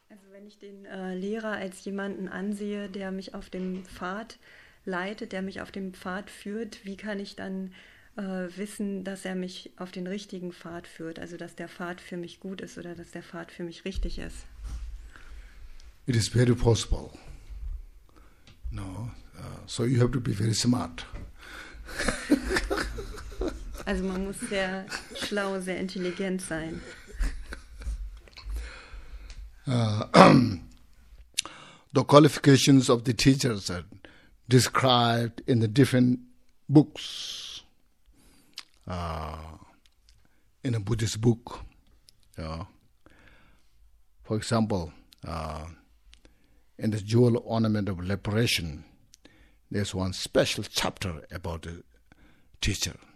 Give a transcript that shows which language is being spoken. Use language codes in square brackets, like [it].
[de] Wenn ich den Lehrer als jemanden ansehe, der mich auf dem Pfad leitet, der mich auf dem Pfad führt, wie kann ich dann wissen, dass er mich auf den richtigen Pfad führt, also dass der Pfad für mich gut ist oder dass der Pfad für mich richtig ist? [en] It is very possible. No, so you have to be very smart. [de] Also man muss sehr schlau, sehr intelligent sein. [en] The qualifications of the teachers are described in the different books. In a Buddhist book, for example, in the Jewel Ornament of Liberation, there's one special chapter about the teacher.